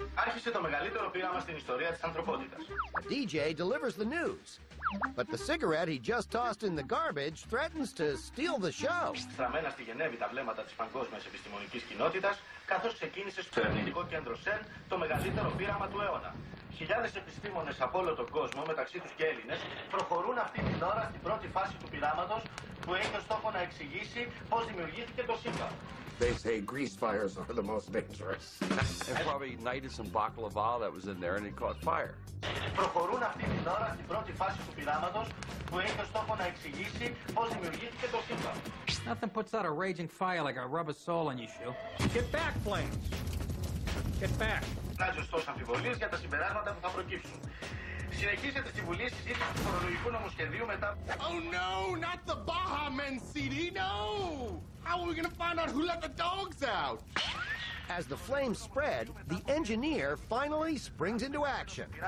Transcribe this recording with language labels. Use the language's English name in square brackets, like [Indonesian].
[Greek] Άρχισε το μεγαλύτερο πείραμα στην ιστορία της ανθρωπότητας. [English] A DJ delivers the news. But the cigarette he just tossed in the garbage threatens to steal the show. [Greek] Στραμμένα στη Γενέβη τα βλέμματα της παγκόσμιας επιστημονικής κοινότητας, καθώς ξεκίνησε στο ερευνητικό κέντρο ΣΕΝ το μεγαλύτερο πείραμα του αιώνα. Χιλιάδες επιστήμονες από όλο τον κόσμο, μεταξύ τους και Έλληνες, προχωρούν αυτή την ώρα στην πρώτη φάση του πειράματος που έχει ως στόχο να εξηγήσει πώς δημιουργήθηκε το σύμπαν. [English] They say grease fires are the most dangerous. They probably ignited some baklava that was in there and it caught fire. [Greek] Προχωρούν αυτή την ώρα στην πρώτη φάση του πειράματος που έχει ως στόχο να εξηγήσει πώς δημιουργήθηκε το σύμπαν. [English] Nothing puts out a raging fire like a rubber sole on your shoe. Get back, flames! Get back! [Greek] Φωνάζει ωστόσο αμφιβολίες για τα συμπεράσματα που θα προκύψουν. Συνεχίζεται στη Βουλή η συζήτηση του φορολογικού νομοσχεδίου μετά... [English] Oh no, not the Baja Men CD, no! How are we gonna find out who let the dogs out? As the flames spread, the engineer finally springs into action.